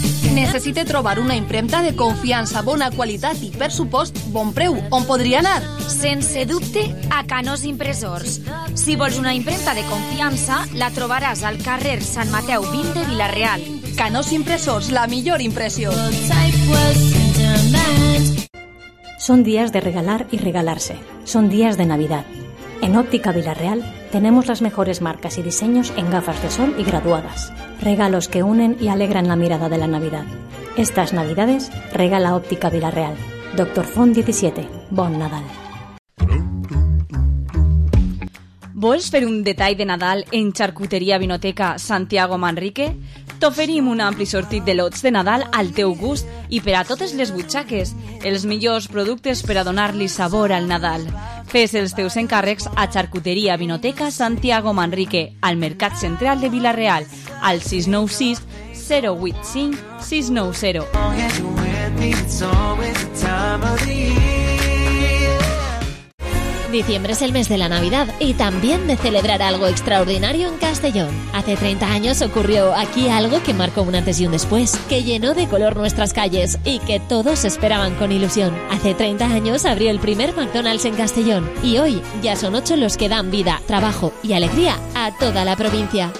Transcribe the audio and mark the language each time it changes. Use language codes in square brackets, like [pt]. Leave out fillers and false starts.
[ca] Necessite trobar una impremta de confiança, bona qualitat i, per supost, bon preu. On podria anar? Sense dubte, a Canós Impressors. Si vols una impremta de confiança, la trobaràs al carrer Sant Mateu 20 de Vila-real. Canós Impressors, la millor impressió. [es] Son días de regalar y regalarse. Son días de Navidad. En Óptica Vila-real tenemos las mejores marcas y diseños en gafas de sol y graduadas. Regalos que unen y alegran la mirada de la Navidad. Estas Navidades, regala Óptica Vila-real. [ca] Dr. Font 17. Bon Nadal. ¿Vols fer un detall de Nadal en Charcuteria Vinoteca Santiago Manrique? T'oferim un ampli sortit de lots de Nadal al teu gust i per a totes les butxaques, els millors productes per a donar-li sabor al Nadal. Fes els teus encàrrecs a Charcuteria Vinoteca Santiago Manrique, al Mercat Central de Vila-real, al 696-085-690. [es] Diciembre es el mes de la Navidad y también de celebrar algo extraordinario en Castellón. Hace 30 años ocurrió aquí algo que marcó un antes y un después, que llenó de color nuestras calles y que todos esperaban con ilusión. Hace 30 años abrió el primer McDonald's en Castellón y hoy ya son 8 los que dan vida, trabajo y alegría a toda la provincia.